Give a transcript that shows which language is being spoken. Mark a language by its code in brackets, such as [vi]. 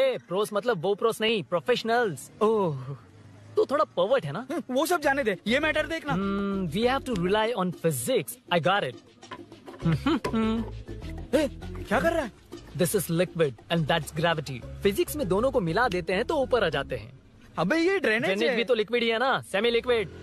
[hi] Pros मतलब वो pros नहीं, professionals. Oh. तू थोड़ा pervert है ना? वो सब जाने दे, ये matter देखना। [en] We have to rely on physics. I got it. [hi] क्या कर रहा है? [en] This is liquid and that's gravity. [hi] Physics में दोनों को मिला देते हैं तो ऊपर आ जाते हैं। अबे ये drainage है। Drainage भी तो liquid ही है ना, semi liquid.